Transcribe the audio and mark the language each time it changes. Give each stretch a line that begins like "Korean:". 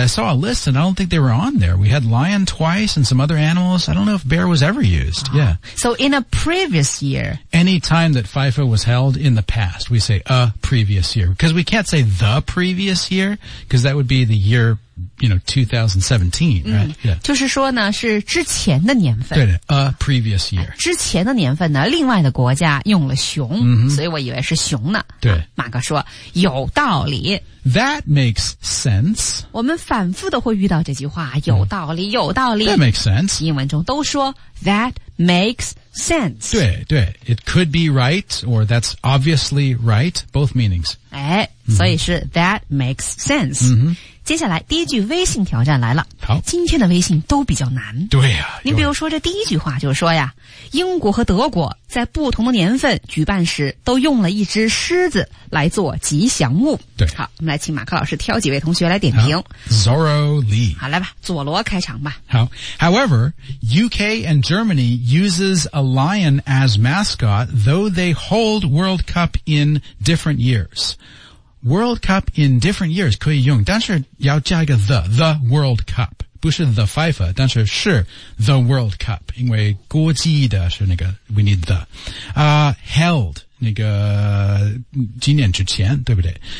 English: I saw a list, and I don't think they were on there. We had lion twice and some other animals. I don't know if bear was ever used. Yeah. So in a previous year, any time that FIFA was held in the past, we say a previous year because we can't say the previous year because that would be the year. You know, 2017, right? Yeah.
Chinese: 就是说呢，是之前的年份。对的
English: ，a previous year.
Chinese: 之前的年份呢，另外的国家用了熊，所以我以为是熊呢。对，马哥说有道理。
English: That makes sense.
Chinese: 我们反复的会遇到这句话，有道理，有道理。
English: That makes sense.
Chinese: 英文中都说
English: that makes sense.
Chinese: 对对
English: ，it could be right or that's obviously right, both meanings.
Chinese: 哎，所以是
English: that makes sense.
Chinese: 接下来第一句微信挑战来了。好，今天的微信都比较难。对呀、你比如说这第一句话就是说呀，英国和德国在不同的年份举办时都用了一只狮子来做吉祥物。对，好，我们来请马克老师挑几位同学来点评。 Zorro Lee，好，来吧，佐罗开场吧。好
English: ，However， UK and Germany uses a lion as mascot， though they hold World Cup in different years。 World Cup in different years
Chinese: 可以用，但是要加一个
English: the World Cup，
Chinese: 不是
English: the FIFA，
Chinese: 但是是 the World Cup， 因为国际的是那个
English: we need the，
Chinese: held 那个几年之前，对不对？